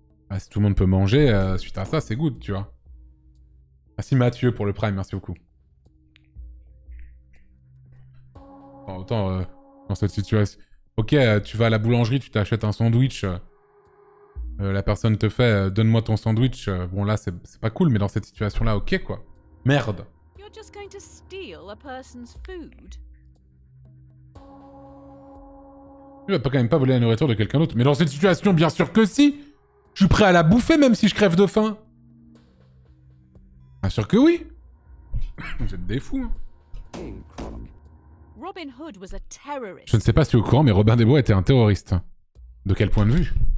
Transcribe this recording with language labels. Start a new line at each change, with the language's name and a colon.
French: Ah, si tout le monde peut manger, suite à ça, c'est good, tu vois. Merci Mathieu pour le Prime, merci beaucoup. Bon, autant dans cette situation... Ok, tu vas à la boulangerie, tu t'achètes un sandwich. La personne te fait « donne-moi ton sandwich ». Bon là, c'est pas cool, mais dans cette situation-là, ok quoi. Merde.
English: You're just going to steal a person's food.
French: Tu vas pas quand même pas voler la nourriture de quelqu'un d'autre. Mais dans cette situation, bien sûr que si. Je suis prêt à la bouffer même si je crève de faim. Bien sûr que oui. Vous êtes des fous. Hein.
English: Robin Hood was a terrorist.
French: Je ne sais pas si tu es au courant, mais Robin des Bois était un terroriste. De quel point de vue?